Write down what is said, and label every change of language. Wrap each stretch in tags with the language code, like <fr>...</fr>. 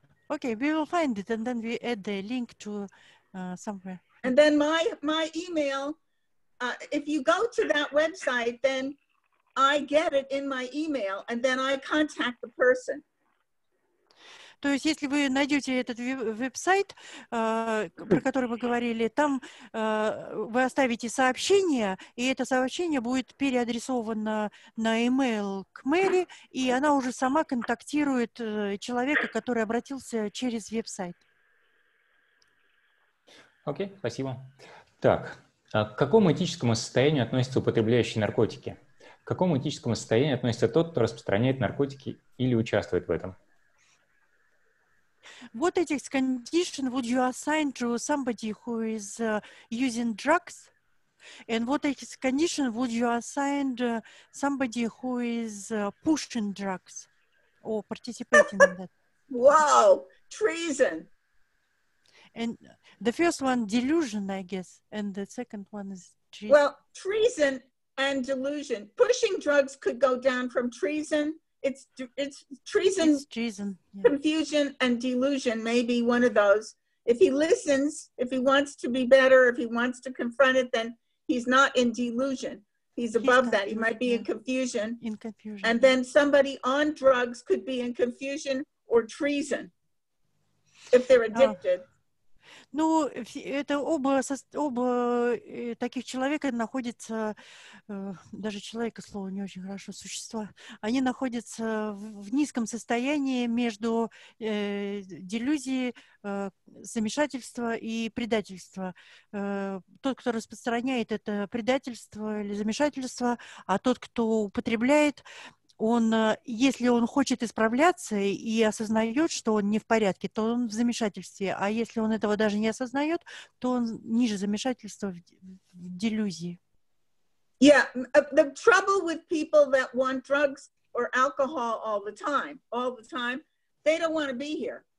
<en>Okay, we will find it and then we add the link to somewhere. And then my email, if you go to that website, then I get it in my email and then I contact the person.</en> <ru>То есть, если вы найдете этот веб-сайт, про который мы говорили, там вы оставите сообщение, и это сообщение будет переадресовано на email к Мэри, и она уже сама контактирует человека, который обратился через веб-сайт. Окей, спасибо. Так, к какому этическому состоянию относятся употребляющие наркотики? К какому этическому состоянию относится тот, кто распространяет наркотики или участвует в этом?</ru> <en>What ethics condition would you assign to somebody who is using drugs? And what ethics condition would you assign to somebody who is pushing drugs or participating in that? Wow, treason. And the first one, delusion, I guess. And the second one is treason. Well, treason and delusion. Pushing drugs could go down from treason. It's treason, it's treason, yeah. Confusion, and delusion may be one of those. If he listens, if he wants to be better, if he wants to confront it, then he's not in delusion. He's above that. He might be in confusion. In confusion. And then somebody on drugs could be in confusion or treason if they're addicted.</en> <ru>Ну, это оба таких человека находятся, даже человека, слово не очень хорошо, существа, они находятся в низком состоянии между делюзией, замешательства и предательства. Тот, кто распространяет это предательство или замешательство, а тот, кто употребляет, он, если он хочет исправляться и осознает, что он не в порядке, то он в замешательстве. А если он этого даже не осознает, то он ниже замешательства в делюзии.</ru> <en>Yeah, the trouble with people that want drugs or alcohol all the time, they don't want to be here.</en>